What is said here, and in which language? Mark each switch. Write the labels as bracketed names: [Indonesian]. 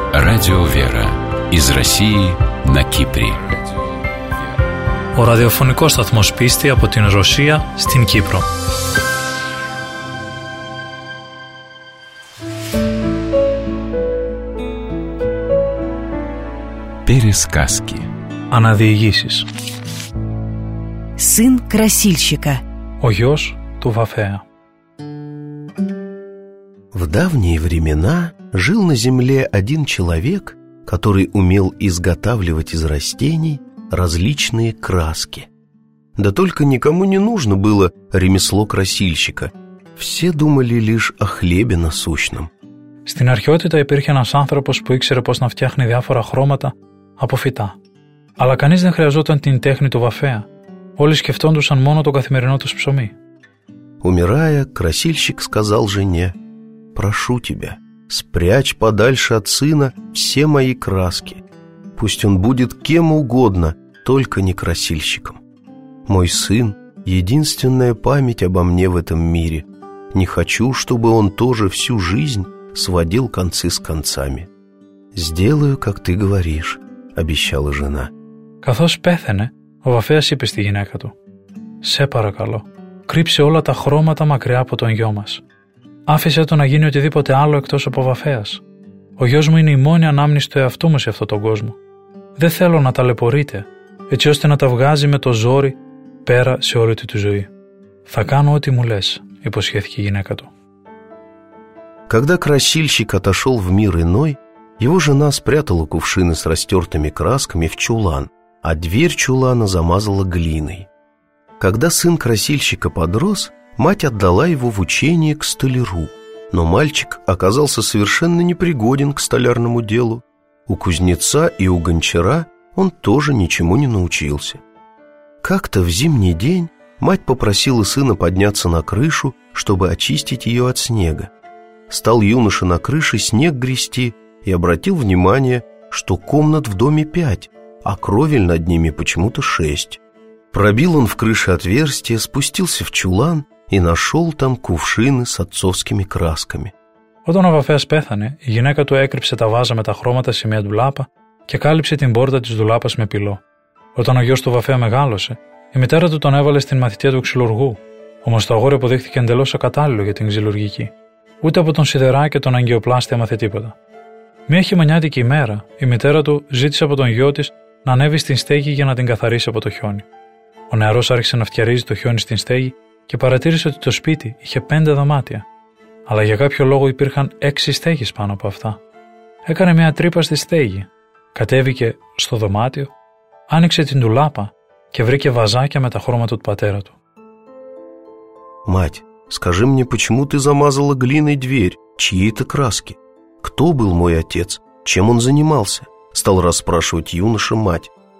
[Russian] Радио Вера из России на Кипре. [Greek] Ο ραδιοφωνικός σταθμός πίστη από την Ρωσία στην Κύπρο. [Russian] Пересказки. [Greek] Αναδιηγήσεις. [Russian] Сын красильщика. [Greek] Ο γιος του Βαφέα. [Russian] В давние времена жил на земле один человек, который умел изготавливать из растений различные краски. Да только никому не нужно было ремесло красильщика. Все думали лишь о хлебе насущном. [Greek] Στην αρχαιότητα υπήρχε ένας άνθρωπος που ήξερε πώς να φτιάχνει διάφορα χρώματα από φυτά. Αλλά κανείς δεν χρειαζόταν την τέχνη του βαφέα. Όλοι σκεφτόντουσαν μόνο το καθημερινό τους ψωμί. [Russian] Умирая, красильщик сказал жене: «Прошу тебя, спрячь подальше от сына все мои краски. Пусть он будет кем угодно, только не красильщиком. Мой сын — единственная память обо мне в этом мире. Не хочу, чтобы он тоже всю жизнь сводил концы с концами. Сделаю, как ты говоришь», — обещала жена. [Greek] Καθώς πέθαινε, ο Βαφέας είπε στη γυναίκα του: «Σε παρακαλώ, κρύψε όλα τα χρώματα μακριά από τον γιο μας. Άφησε το να γίνει οτιδήποτε άλλο εκτός από Βαφέας. Ο γιος μου είναι η μόνη ανάμνηση του εαυτού μου σε αυτόν τον κόσμο. Δεν θέλω να ταλαιπωρείται, έτσι ώστε να τα βγάζει με το ζόρι πέρα σε όλη τη του ζωή. Θα κάνω ό,τι μου λες», υποσχέθηκε η γυναίκα του. [Russian] Когда красильщик отошел в мир иной, его жена спрятала кувшины с растертыми красками в чулан, а дверь чулана замазала глиной. Когда сын красильщика подрос, мать отдала его в учение к столяру, но мальчик оказался совершенно непригоден к столярному делу. У кузнеца и у гончара он тоже ничему не научился. Как-то в зимний день мать попросила сына подняться на крышу, чтобы очистить ее от снега. Стал юноша на крыше снег грести и обратил внимание, что комнат в доме 5, а кровель над ними почему-то 6. Пробил он в крыше отверстие, спустился в чулан и нашел там кувшины с отцовскими красками. [Greek] Όταν ο Βαφέας πέθανε, η γυναίκα του έκρυψε τα βάζα με τα χρώματα σε μια ντουλάπα και κάλυψε την πόρτα της ντουλάπας με πυλό. Όταν ο γιος του Βαφέα μεγάλωσε, η μητέρα του τον έβαλε στην μαθητεία του ξυλουργού. Όμως το αγόρι αποδείχθηκε εντελώς ακατάλληλο για την ξυλουργική. Ούτε από τον σιδερά και τον αγκιοπλάστη έμαθε τίποτα. Μια χειμωνιάτικη ημέρα, η μητέρα του ζήτησε από τον γιο της να ανέβει στην στέγη για να την καθαρίσει από το χιόνι. Ο νεαρός άρχισε να φτιαρίζει το χιόνι στην στέγη και παρατήρησε ότι το σπίτι είχε 5 δωμάτια, αλλά για κάποιο λόγο υπήρχαν 6 στέγες πάνω από αυτά. Έκανε μια τρύπα στη στέγη, κατέβηκε στο δωμάτιο, άνοιξε την ντουλάπα και βρήκε βαζάκια με τα χρώματα του πατέρα του. [Russian] «Мать, скажи мне, почему ты замазала глиной дверь? Чьи это краски? Кто был мой отец? Чем он занимался?» — стал расспрашивать юноша мать.